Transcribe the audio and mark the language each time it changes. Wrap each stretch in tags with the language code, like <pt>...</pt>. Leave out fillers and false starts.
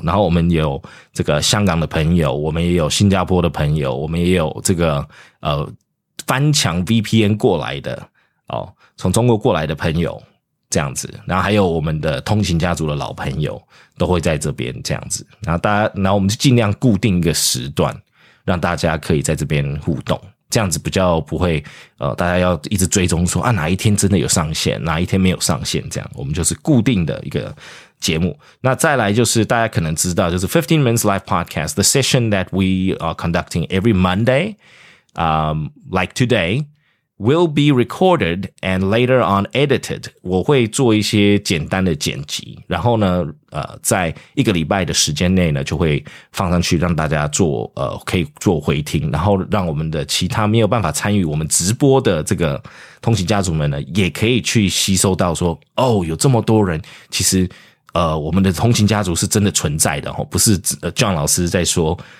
<zh>然后我们有这个香港的朋友，我们也有新加坡的朋友，我们也有这个翻墙 VPN 过来的哦，从中国过来的朋友这样子，然后还有我们的通勤家族的老朋友都会在这边这样子，然后大家，然后我们就尽量固定一个时段，让大家可以在这边互动，这样子比较不会大家要一直追踪说啊哪一天真的有上线，哪一天没有上线，这样我们就是固定的一个节目。那再来就是大家可能知道，就是</zh> <en>15 Minutes Live Podcast the session that we are conducting every Monday, like today. Will be recorded and later on edited.</en> <zh>我会做一些简单的剪辑，然后呢，在一个礼拜的时间内呢，就会放上去让大家做，可以做回听，然后让我们的其他没有办法参与我们直播的这个通勤家族们呢，也可以去吸收到说，哦，有这么多人，其实，我们的通勤家族是真的存在的，不是John老师在说。</zh>